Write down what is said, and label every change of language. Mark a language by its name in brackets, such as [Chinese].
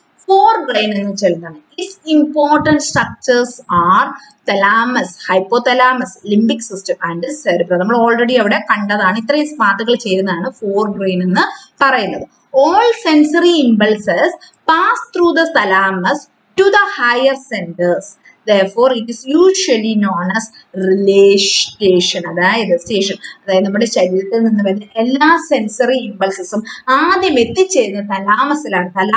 [English] forebrain [Malayalam] എന്ന് വെച്ചാൽ [English] Is important structures are thalamus, hypothalamus, limbic system and cerebrum. [Malayalam] നമ്മൾ already അവിടെ കണ്ടതാണ്, ഇത്രയും പാർട്ടുകൾ ചേരുന്നതാണ് ഫോർഗ്രെയിൻ എന്ന് പറയുന്നത്. [English] All sensory impulses pass through the thalamus to the higher centres. Therefore, it is usually known as relay station. [Malayalam] അതായത് സ്റ്റേഷൻ, അതായത് നമ്മുടെ ശരീരത്തിൽ നിന്ന് വരുന്ന എല്ലാ സെൻസറി ഇമ്പൾസസും ആദ്യം എത്തിച്ചേരുന്ന തലാമസിലാണ്.